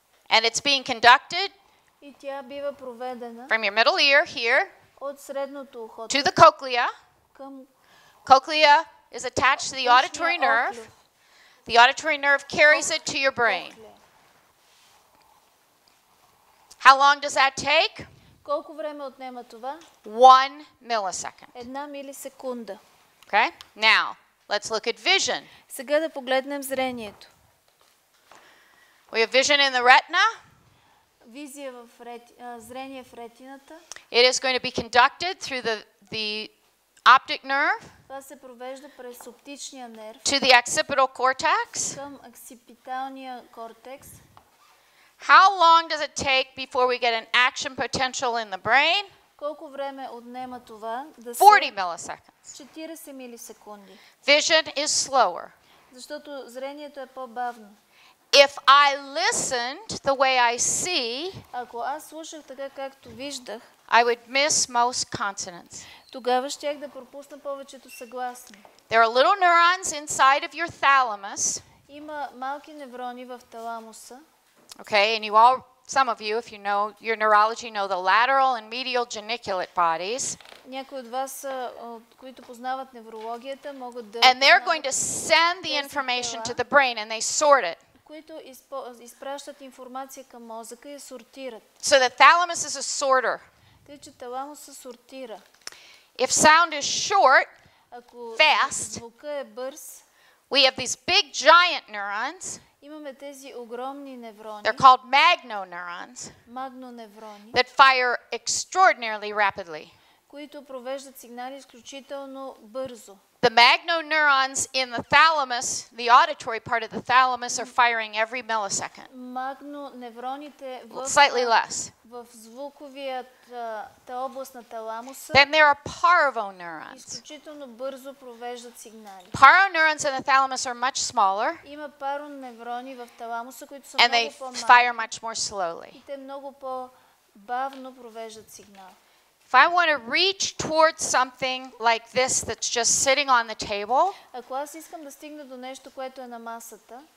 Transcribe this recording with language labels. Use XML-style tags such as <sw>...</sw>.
<en>And it's being conducted.</en> <bg>И тя бива проведена.</bg> <en>From your middle ear here.</en> <bg>От средното ухо.</bg> <en>To the cochlea.</en> <bg>Към</bg> <en>cochlea is attached to the auditory nerve. The auditory nerve carries it to your brain. How long does that take?</en> <bg>Колко време отнема това?</bg> <en>1 millisecond.</en> <bg>1 милисекунда.</bg> <en>Okay? Now, let's look at vision.</en> <bg>Сега да погледнем зрението.</bg> <en>We have vision in the retina.</en> <bg>Визия в зрение в ретината.</bg> <en>It is going to be conducted through the optic nerve.</en> <bg>Това се провежда през оптичния нерв.</bg> <en>To the occipital cortex.</en> <bg>Към оксипиталния кортекс.</bg> <en>How long does it take before we get an action potential in the brain?</en> <bg>Колко време отнема това да се</bg> <en>40 milliseconds.</en> <bg>40 милисекунди.</bg> <en>Vision is slower.</en> <bg>Защото зрението е по-бавно.</bg> <en>If I listened the way I see,</en> <bg>ако аз слушах така както виждах,</bg> <en>I would miss most consonants.</en> <bg>Тогава щях да пропусна повечето съгласни.</bg> <en>There are little neurons inside of your thalamus.</en> <bg>Има малки неврони в таламуса.</bg> <en>Okay, and you all, some of you, if you know your neurology, know the lateral and medial geniculate bodies.</en> <bg>Някои от вас, които познават неврологията, могат да.</bg> <en>And they're going to send the information to the brain, and they sort it.</en> <bg>Които изпращат информация към мозъка и сортират.</bg> <en>So the thalamus is a sorter.</en> <bg>Тъй че таламуса сортира.</bg> <en>If sound is short,</en> <bg>ако</bg> <en>fast,</en> <bg>звука е бърз,</bg> <en>we have these big giant neurons.</en> <bg>Имаме тези огромни неврони.</bg> <en>They're called magnoneurons.</en> <bg>Магноневрони.</bg> <en>That fire extraordinarily rapidly.</en> <bg>Които провеждат сигнали изключително бързо.</bg> <en>The magnoneurons in the thalamus, the auditory part of the thalamus, are firing every millisecond.</en> <bg>Магноневроните в</bg> <en>slightly less.</en> <bg>В звуковата област на таламуса.</bg> <en>Then there are parvoneurons.</en> <bg>Изключително бързо провеждат сигнали.</bg> <en>Parvoneurons in the thalamus are much smaller.</en> <bg>Има парвоневрони в таламуса, които са много по-малки.</bg> <en>And they fire much more slowly.</en> <bg>И те много по-бавно провеждат сигнал.</bg> <en>If I want to reach towards something like this that's just sitting on the table,</en> <bg>ако аз искам да стигна до нещо, което е на масата,</bg>